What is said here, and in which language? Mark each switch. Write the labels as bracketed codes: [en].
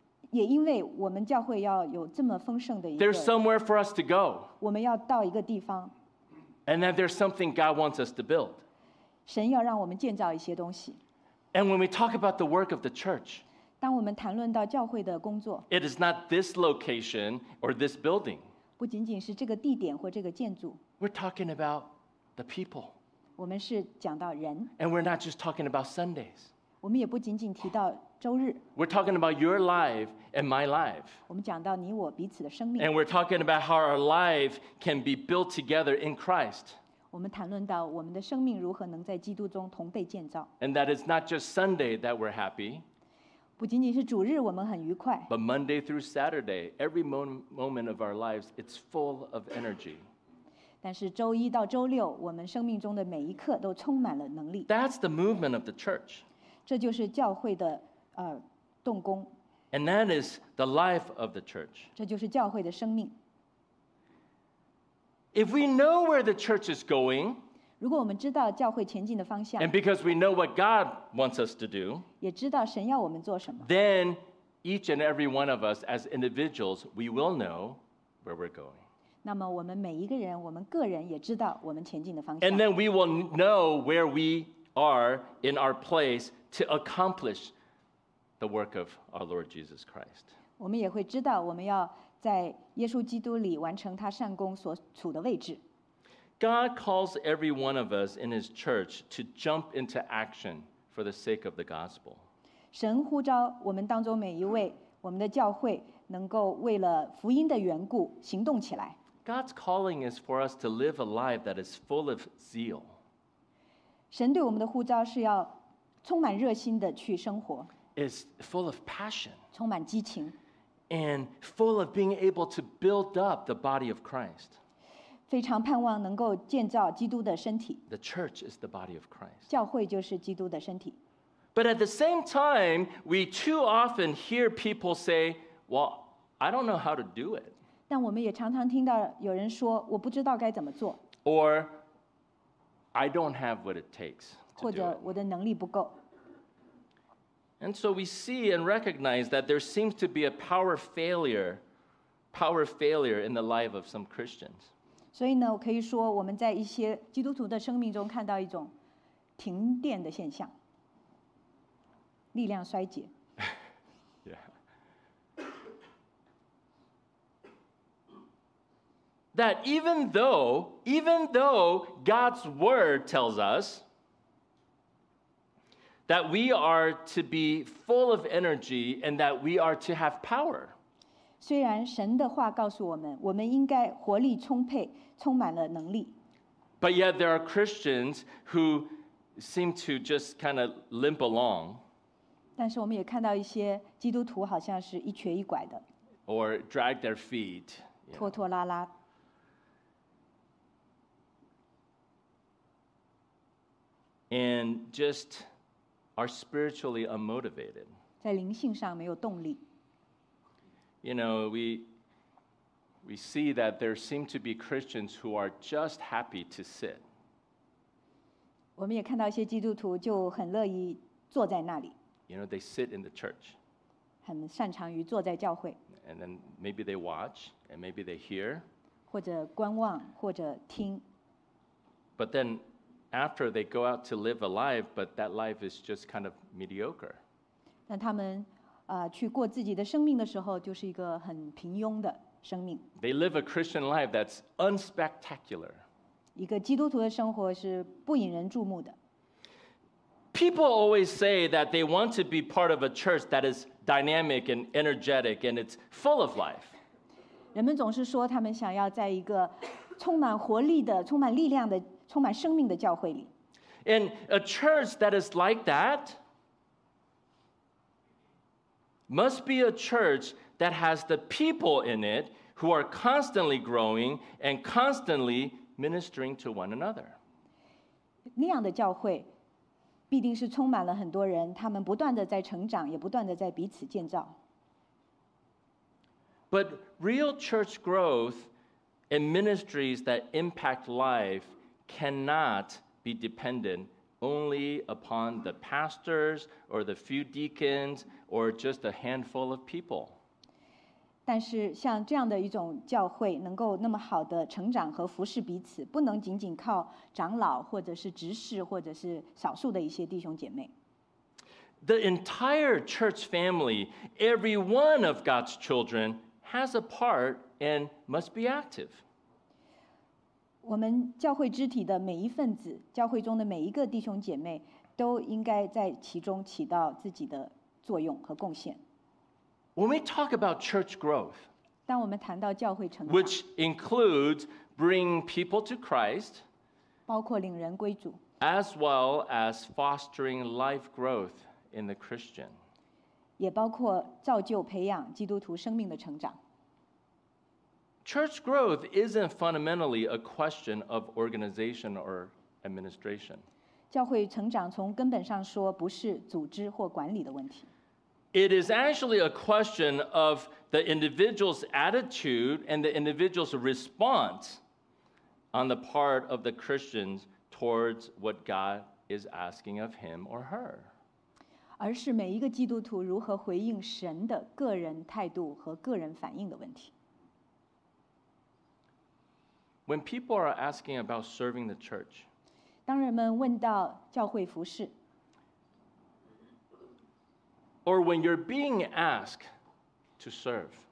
[zh] 也因为我们教会要有这么丰盛的一个 [en] There's somewhere for us to go. [zh] 我们要到一个地方。 [en] And that there's something God wants us to build. [zh] 神要让我们建造一些东西。 [en] And when we talk about the work of the church, [zh] 当我们谈论到教会的工作 [en] it is not this location or this building. [zh] 不仅仅是这个地点或这个建筑。 [en] We're talking about the people. [zh] 我们是讲到人。 [en] And we're not just talking about Sundays. [zh] 我们也不仅仅提到周日。 [en] We're talking about your life and my life. [zh] 我们讲到你我彼此的生命。 [en] And we're talking about how our life can be built together in Christ. [zh] 我们谈论到我们的生命如何能在基督中同被建造。 [en] And that it's not just Sunday that we're happy. [zh] 不仅仅是主日我们很愉快。 [en] But Monday through Saturday, every moment of our lives, it's full of energy. [zh] 但是周一到周六，我们生命中的每一刻都充满了能力。 [en] That's the movement of the church. [zh] 这就是教会的动工。 [en] And that is the life of the church. [zh] 这就是教会的生命。 [en] If we know where the church is going, [zh] 如果我们知道教会前进的方向， [en] and because we know what God wants us to do, [zh] 也知道神要我们做什么， [en] then each and every one of us as individuals, we will know where we're going. [zh] 那么我们每一个人，我们个人也知道我们前进的方向。 [en] And then we will know where we are in our place to accomplish the work of our Lord Jesus Christ. [zh] 我们也会知道我们要在耶稣基督里完成他善工所处的位置。 [en] God calls every one of us in His church to jump into action for the sake of the gospel. [zh] 神呼召我们当中每一位，我们的教会能够为了福音的缘故行动起来。 [en] God's calling is for us to live a life that is full of zeal. [zh] 神对我们的呼召是要充满热心的去生活。 [en] It's full of passion. [zh] 充满激情。 [en] And full of being able to build up the body of Christ. [zh] 非常盼望能够建造基督的身体。 [en] The church is the body of Christ. [zh] 教会就是基督的身体。 [en] But at the same time, we too often hear people say, well, I don't know how to do it. [zh] 但我们也常常听到有人说我不知道该怎么做 [en] or I don't have what it takes to do it. [zh] 或者我的能力不够 [en] and so we see and recognize that there seems to be a power failure in the life of some Christians [zh] 所以呢可以说我们在一些基督徒的生命中看到一种停电的现象力量衰竭 [en] That even though God's word tells us that we are to be full of energy and that we are to have power. [zh] 虽然神的话告诉我们，我们应该活力充沛，充满了能力。 [en] But yet there are Christians who seem to just kind of limp along. [zh] 但是我们也看到一些基督徒好像是一瘸一拐的。 [en] Or drag their feet. [zh] 拖拖拉拉。 [en] And just are spiritually unmotivated. [zh] 在灵性上没有动力。 [en] You know, we see that there seem to be Christians who are just happy to sit. [zh] 我们也看到一些基督徒就很乐意坐在那里。 [en] You know, they sit in the church. [zh] 很擅长于坐在教会。 [en] And then maybe they watch, and maybe they hear. [zh] 或者观望，或者听。 [en] But then,After they go out to live a life, but that life is just kind of mediocre. [zh] 但他们去过自己的生命的时候，就是一个很平庸的生命。 [en] They live a Christian life that's unspectacular. [zh] 一个基督徒的生活是不引人注目的。 [en] People always say that they want to be part of a church that is dynamic and energetic and it's full of life. [zh] 人们总是说他们想要在一个充满活力的、充满力量的。充满生命的教会里 [en] And a church that is like that must be a church that has the people in it who are constantly growing and constantly ministering to one another. [zh] 那样的教会必定是充满了很多人，他们不断的在成长，也不断的在彼此建造。 [en] But real church growth and ministries that impact life. Cannot be dependent only upon the pastors or the few deacons or just a handful of people. [zh] 但是像这样的一种教会能够那么好的成长和服侍彼此，不能仅仅靠长老或者是执事或者是少数的一些弟兄姐妹。 [en] The entire church family, every one of God's children, has a part and must be active. [zh] 我们教会肢体的每一份子，教会中的每一个弟兄姐妹，都应该在其中起到自己的作用和贡献。 [en] When we talk about church growth, [zh] 当我们谈到教会成长 [en] ，which includes bring people to Christ, [zh] 包括领人归主 [en] ，as well as fostering life growth in the Christian, [zh] 也包括造就培养基督徒生命的成长。 [en] Church growth isn't fundamentally a question of organization or administration. [zh] 教会成长从根本上说不是组织或管理的问题。 [en] It is actually a question of the individual's attitude and the individual's response on the part of the Christians towards what God is asking of him or her. [zh] 而是每一个基督徒如何回应神的个人态度和个人反应的问题。 [en] When people are asking about serving the church, [zh] 当人们问到教会服事 [en] or when you're being asked to serve,